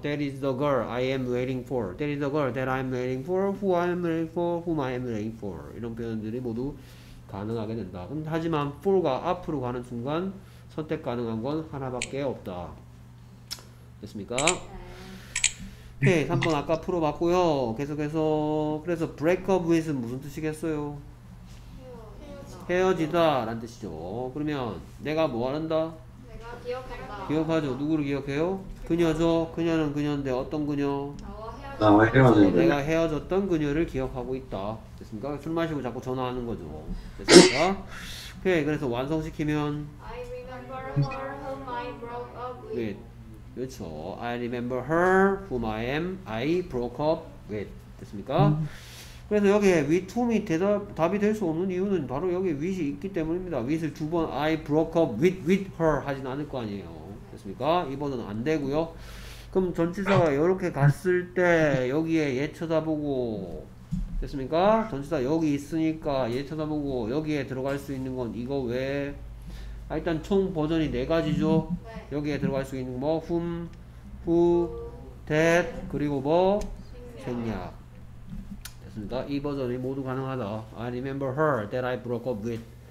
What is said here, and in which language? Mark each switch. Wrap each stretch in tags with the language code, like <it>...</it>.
<en>That is the girl I am waiting for. That is the girl that I am waiting for. Who I am waiting for. Whom I am waiting for.</en> <ko>이런 표현들이 모두 가능하게 된다. 근데 하지만 for가 앞으로 가는 순간 선택 가능한 건 하나밖에 없다. 됐습니까? 네. 오케이 okay, 3번 아까 풀어봤고요. 계속해서 그래서 break up with 무슨 뜻이겠어요? 헤어지다 라는 뜻이죠. 그러면 내가 뭐 하는다? 내가 기억한다. 기억하죠. 누구를 기억해요? 그녀죠. 그녀는 그녀인데 어떤 그녀? 나와 헤어졌는데 내가 헤어졌던 그녀를 기억하고 있다. 됐습니까? 술 마시고 자꾸 전화하는 거죠. 됐습니까? 오케이 okay, 그래서 완성시키면</ko> <en>I remember her whom I broke up with. 그렇죠. I remember her whom I am. I broke up with. 됐습니까?</en> <ko>그래서 여기에 with whom이 답이 될 수 없는 이유는 바로 여기에 with이 있기 때문입니다. with을 두 번</ko> <en>I broke up with her</en> <ko>하진 않을 거 아니에요. 됐습니까? 이번은 안 되고요. 그럼 전치사가 이렇게 갔을 때 여기에 얘 쳐다보고 됐습니까? 전치사 여기 있으니까 얘 쳐다보고 여기에 들어갈 수 있는 건 이거 외에 아 일단 총 버전이 네 가지죠. 네. 여기에 들어갈 수 있는 뭐 whom, who, that 그리고 뭐 생략. 됐습니다. 이 버전이 모두 가능하다.</ko> <en>I remember her that I broke up with.</en>